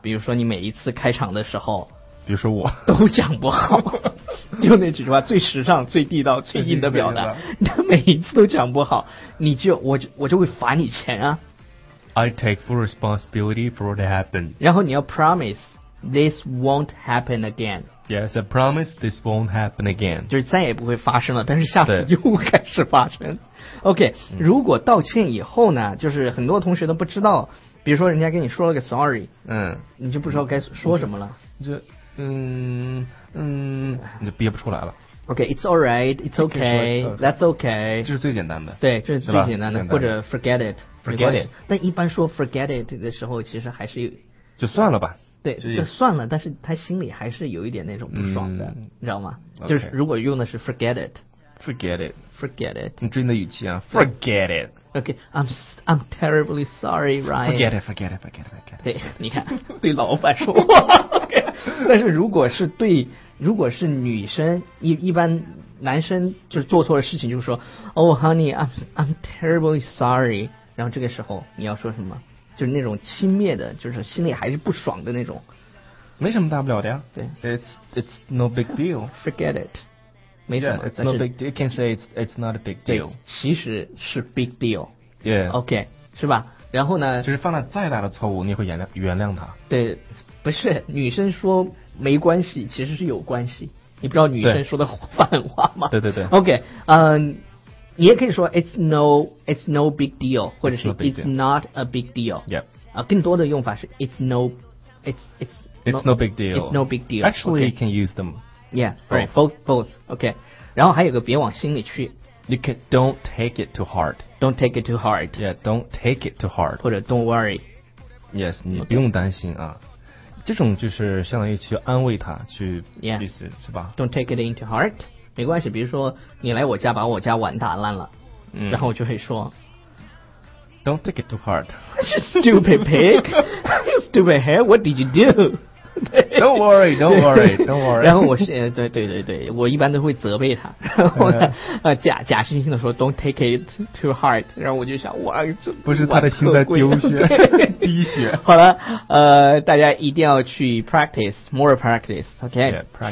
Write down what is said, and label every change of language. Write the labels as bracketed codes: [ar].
[zh] 比如说你每一次开场的时候，比如说我都讲不好。就那几句话，最时尚、最地道、最硬的表达，他每一次都讲不好，你就我就会罚你钱啊。 [en] I take full responsibility for what happened. [zh] 然后你要 [en] promise this won't happen again. Yes, I promise this won't happen again. [zh] 就是再也不会发生了，但是下次又开始发生。 OK, 如果道歉以后呢，就是很多同学都不知道，比如说人家跟你说了个 sorry, 你就不知道该说什么了。就你就憋不出来了。 [en] Okay, it's alright, it's okay, that's okay. [zh] 这是最简单的。对，这是最简单的，或者 [en] forget it, forget it. [zh] 但一般说 [en] forget it [zh] 的时候，其实还是有就算了吧。对，就算了，但是他心里还是有一点那种不爽的，你知道吗？就是如果用的是 [en] forget it, forget it, forget it. [zh] 你注意你的语气啊， [en] forget it. Okay, I'm terribly sorry, Ryan. Forget it, forget it, forget it, forget it. [zh] 对，你看，对老板说话。但是如果是女生，一般男生就是做错了事情就说 [en] Oh honey, I'm terribly sorry. [zh] 然后这个时候你要说什么，就是那种轻蔑的，就是心里还是不爽的那种。没什么大不了的呀。对， [en] It's no big deal. Forget it. [zh] 没什么。 [en] It's no big deal. You can say it's not a big deal. [zh] 其实是 [en] big deal. Yeah. [zh] OK, 是吧？然后呢，就是犯了再大的错误你会原谅他。对，不是，女生说没关系其实是有关系，你不知道女生说的反话吗？对对对。 OK, 你也可以说 [en] it's no big deal, [zh] 或者是 [en] it's not a big deal。 Yep, [zh] 更多的用法是 [en] it's no big deal. Actually, okay, you can use them. Yeah, both. [zh] OK, 然后还有个别往心里去。 [en] You can don't take it too hard. Don't take it too hard. Yeah, don't take it too hard. [zh] 或者 [en] don't worry. [zh] Yes， 你不用担心啊。这种就是相当于去安慰他，去意思、 [en] yeah. [zh] 是吧 [en] ？Don't take it into heart， [zh] 没关系。比如说你来我家把我家碗打烂了，嗯、然后我就会说 [en] ，Don't take it to heart， you stupid pig， you stupid head， what did you do？ Don't worry, don't worry, don't worry 。 [zh] 然后我是对对对对，我一般都会责备他，然后他假惺惺的说 [en] "Don't take it to heart"， [zh] 然后我就想哇，不是他的心在丢血，滴血。好了，大家一定要去 [en] practice more practice， [zh] OK，、okay? [en] yeah,